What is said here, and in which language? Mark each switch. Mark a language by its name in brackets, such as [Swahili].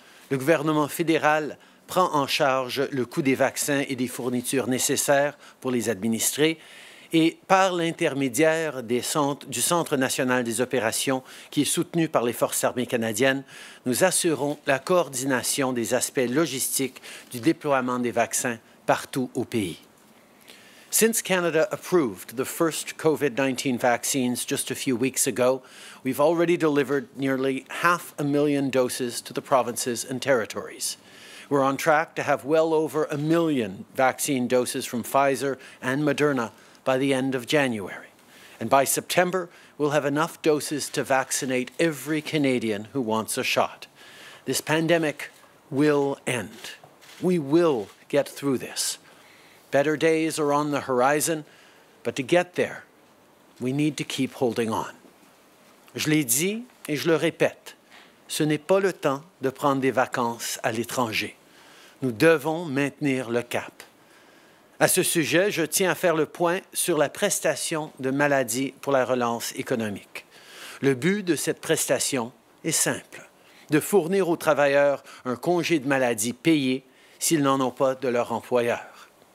[French] Le gouvernement fédéral prend en charge le coût des vaccins et des fournitures nécessaires pour les administrer et, par l'intermédiaire du Centre national des opérations, qui est soutenu par les Forces armées canadiennes, nous assurons la coordination des aspects logistiques du déploiement des vaccins partout au pays. [English] Since Canada approved the first COVID-19 vaccines just a few weeks ago, we've already delivered nearly 500,000 doses to the provinces and territories. We're on track to have well over 1 million vaccine doses from Pfizer and Moderna by the end of January. And by September, we'll have enough doses to vaccinate every Canadian who wants a shot. This pandemic will end. We will get through this. Better days are on the horizon, but to get there, we need to keep holding on. [French] Je l'ai dit et je le répète. Ce n'est pas le temps de prendre des vacances à l'étranger. Nous devons maintenir le cap. À ce sujet, je tiens à faire le point sur la prestation de maladie pour la relance économique. Le but de cette prestation est simple, de fournir aux travailleurs un congé de maladie payé s'ils n'en ont pas de leur employeur.